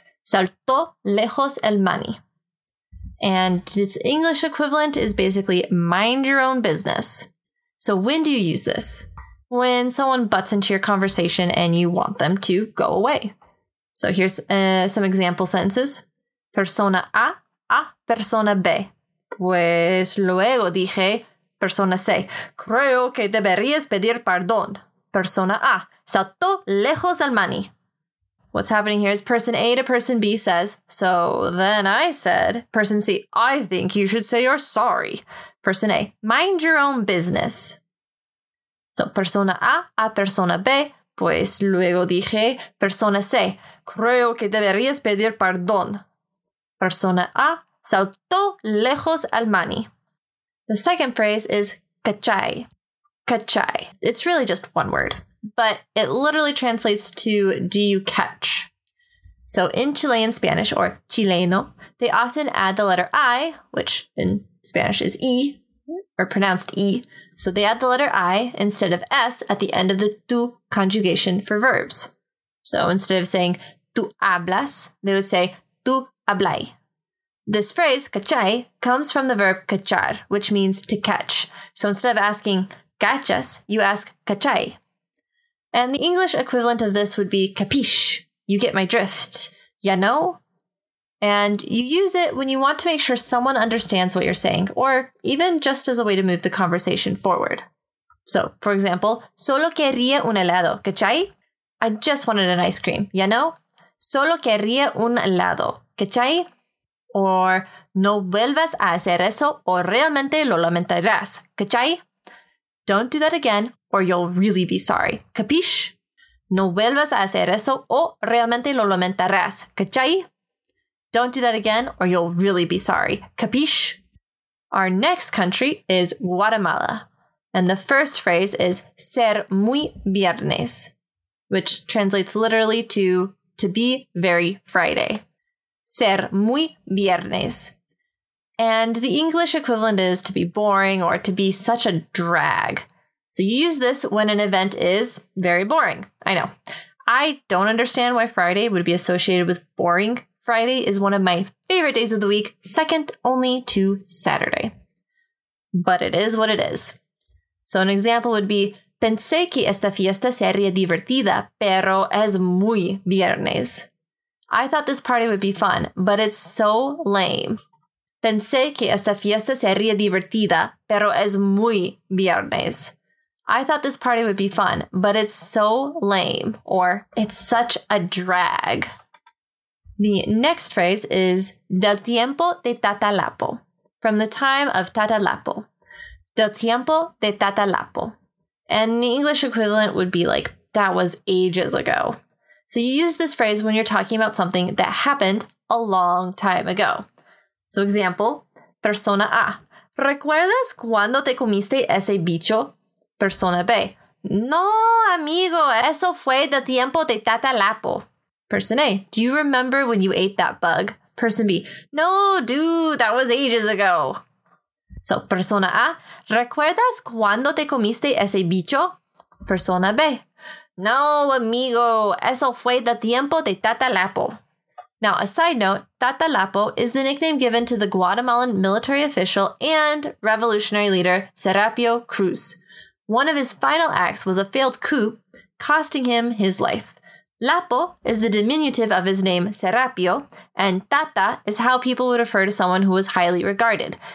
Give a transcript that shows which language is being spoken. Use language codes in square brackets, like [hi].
[es] Saltó lejos el maní. [en] And its English equivalent is basically mind your own business. So when do you use this? When someone butts into your conversation and you want them to go away. So here's some example sentences. [es] Persona A a persona B. Pues luego dije, persona C, creo que deberías pedir perdón. Persona A, saltó lejos del maní. [en] What's happening here is person A to person B says, so then I said, person C, I think you should say you're sorry. Person A, mind your own business. So [es] persona a persona B. Pues luego dije, persona C, creo que deberías pedir perdón. Persona A saltó lejos al maní. [en] The second phrase is cachai. Cachai. It's really just one word, but it literally translates to do you catch? So in Chilean Spanish or chileno, they often add the letter I, which in Spanish is E or pronounced E. So they add the letter I instead of S at the end of the tú conjugation for verbs. So instead of saying tú hablas, they would say tú hablai. This phrase, cachai, comes from the verb cachar, which means to catch. So instead of asking cachas, you ask cachai. And the English equivalent of this would be capish. You get my drift. [es] Ya no? [en] And you use it when you want to make sure someone understands what you're saying, or even just as a way to move the conversation forward. So, for example, [es] solo quería un helado, cachai? [en] I just wanted an ice cream. [es] Ya no? Solo quería un helado, cachai? [en] Or, [es] no vuelvas a hacer eso o realmente lo lamentarás. ¿Cachai? [en] Don't do that again or you'll really be sorry. ¿Capish? [es] No vuelvas a hacer eso o realmente lo lamentarás. ¿Cachai? [en] Don't do that again or you'll really be sorry. ¿Capish? Our next country is Guatemala. And the first phrase is [es] ser muy viernes, [en] which translates literally to be very Friday. [es] Ser muy viernes. [en] And the English equivalent is to be boring or to be such a drag. So you use this when an event is very boring. I know. I don't understand why Friday would be associated with boring. Friday is one of my favorite days of the week, second only to Saturday. But it is what it is. So an example would be, [es] pensé que esta fiesta sería divertida, pero es muy viernes. [en] I thought this party would be fun, but it's so lame. [es] Pensé que esta fiesta sería divertida, pero es muy viernes. [en] I thought this party would be fun, but it's so lame. Or, it's such a drag. The next phrase is [es] del tiempo de Tata Lapo, [en] from the time of Tata Lapo. [es] Del tiempo de Tata Lapo. [en] And the English equivalent would be like, that was ages ago. So you use this phrase when you're talking about something that happened a long time ago. So example, [es] persona A. ¿Recuerdas cuando te comiste ese bicho? Persona B. No, amigo, eso fue del tiempo de Tata Lapo. [en] Person A. Do you remember when you ate that bug? Person B. No, dude, that was ages ago. So, [es] persona A. ¿Recuerdas cuando te comiste ese bicho? Persona B. No, amigo, eso fue del tiempo de Tata Lapo. [en] Now, a side note, Tata Lapo is the nickname given to the Guatemalan military official and revolutionary leader Serapio Cruz. One of his final acts was a failed coup, costing him his life. Lapo is the diminutive of his name Serapio, and Tata is how people would refer to someone who was highly regarded.